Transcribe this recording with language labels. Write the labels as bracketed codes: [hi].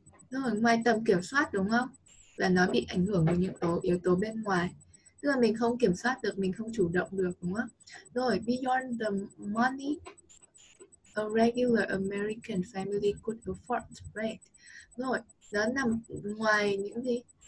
[vi] Ngoài tầm kiểm soát, đúng không? Là nó bị ảnh hưởng bởi những yếu tố bên ngoài. Tức là mình không kiểm soát được, mình không chủ động được, đúng không? Rồi, [en] beyond the money a regular American family could afford, right? [vi] Rồi, nó nằm ngoài những gì?